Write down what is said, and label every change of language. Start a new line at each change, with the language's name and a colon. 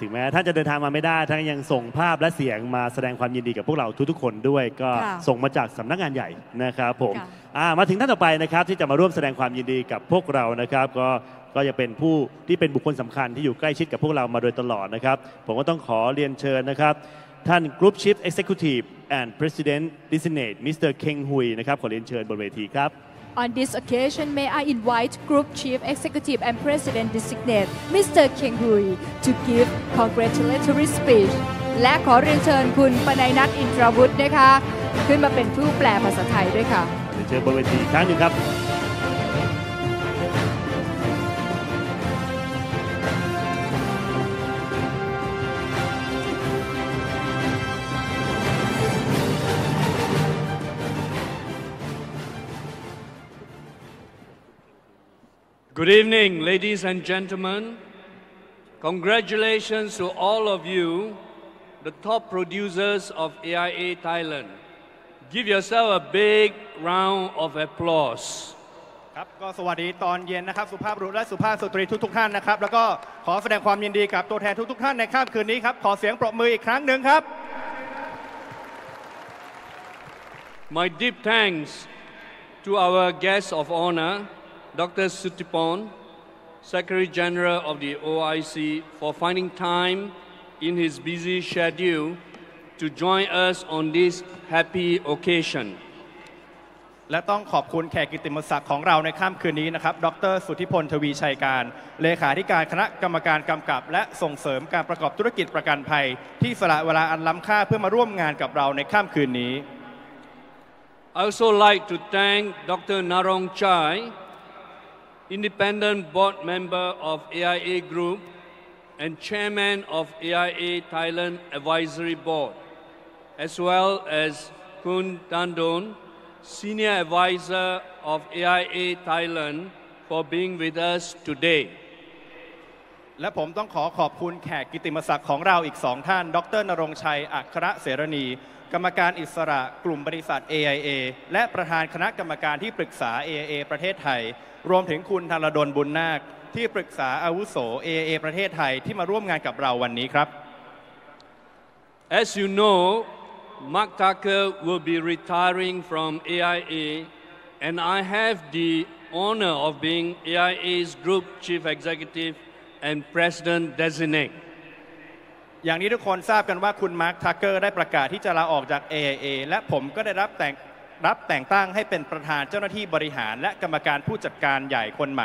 Thai: ถึงแม้ท่านจะเดินทางมาไม่ได้ท่านยังส่งภาพและเสียงมาแสดงความยินดีกับพวกเราทุกๆคนด้วยก็ส่งมาจากสำนักงานใหญ่นะครับผมมาถึงท่านต่อไปนะครับที่จะมาร่วมแสดงความยินดีกับพวกเรานะครับก็จะเป็นผู้ที่เป็นบุคคลสำคัญที่อยู่ใกล้ชิดกับพวกเรามาโดยตลอดนะครับผมก็ต้องขอเรียนเชิญนะครับท่าน Group Chief Executive and President Designate Mr. Keng Hui นะครับขอเรียนเชิญบนเวทีครับ
English: On this occasion may I invite Group Chief Executive and President Designate Mr. Keng Hui to give congratulatory speech
Thai: และขอเรียนเชิญคุณปนัยนัทอินทราวุฒินะคะขึ้นมาเป็นผู้แปลภาษาไทยด้วยค่ะ เรียนเชิญบนเวทีครั้งหนึ่งครับ
English: Good evening, ladies and gentlemen. Congratulations to all of you, the top producers of AIA Thailand. Give yourself a big round of applause.
Thai: ครับก็สวัสดีตอนเย็นนะครับสุภาพบุรุษและสุภาพสตรีทุกท่านนะครับแล้วก็ขอแสดงความยินดีกับตัวแทนทุกท่านในค่ำคืนนี้ครับขอเสียงปรบมืออีกครั้งนึงครับ
English: My deep thanks to our guests of honorDr. Suttipon, Secretary General of the OIC, for finding time in his busy schedule to join us on this happy occasion.
Thai: และต้องขอบคุณแขกกิตติมศักดิ์ของเราในค่ำคืนนี้นะครับ Dr. สุทธิพล ทวีชัยการเลขาธิการคณะกรรมการกำกับและส่งเสริมการประกอบธุรกิจประกันภัยที่สละเวลาอันล้ำค่าเพื่อมาร่วมงานกับเราในค่ำคืนนี้
English: I also like to thank Dr. Narong ChaiIndependent board member of AIA Group and chairman of AIA Thailand Advisory Board, as well as Khun Tan Don, senior advisor of AIA Thailand, for being with us today.
Thai: และผมต้องขอขอบคุณแขกกิตติมศักดิ์ของเราอีกสองท่านดร. ณรงค์ชัยอัครเสรณีกรรมการอิสระกลุ่มบริษัท AIA และประธานคณะกรรมการที่ปรึกษา AIA ประเทศไทยรวมถึงคุณธรดลบุญนาคที่ปรึกษาอาวุโส AIA ประเทศไทยที่มาร่วมงานกับเราวันนี้ครับ
English: As you know Mark Tucker will be retiring from AIA and I have the honor of being AIA's Group Chief Executive and President Designate
Thai: อย่างที่ทุกคนทราบกันว่าคุณมาร์คทักเกอร์ได้ประกาศที่จะลาออกจาก AIA และผมก็ได้รับแต่งตั้งให้เป็นประธานเจ้าหน้าที่บริหารและกรรมการผู้จัดการใหญ่คนใหม